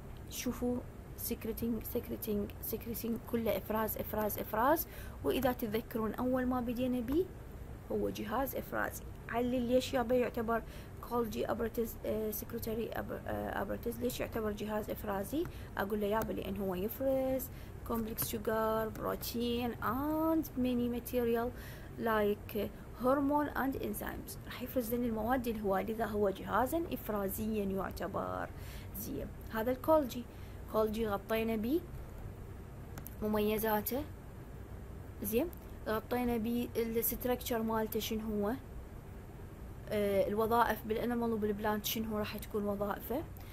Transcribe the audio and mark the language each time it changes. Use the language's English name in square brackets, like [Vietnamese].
[Arabic] شوفوا سيكريتنج سيكريتنج سيكريتنج، كله افراز افراز افراز. واذا تتذكرون اول ما بدينا به هو جهاز افرازي، علل ليش يابا يعتبر كولجي ابراتس سكرتري ابراتس ليش يعتبر جهاز افرازي؟ اقول له يابا لان هو يفرز [English] complex sugar, protein and many material like hormone and enzymes. [Arabic] راح يفرز لنا المواد الهواء، لذا هو جهازا افرازيا يعتبر. زين، هذا الكولجي. كولجي غطينا به مميزاته، زين غطينا به الستركتشر مالته شنو هو، الوظائف بالانيمال وبالبلانت شنو هو راح تكون وظائفه.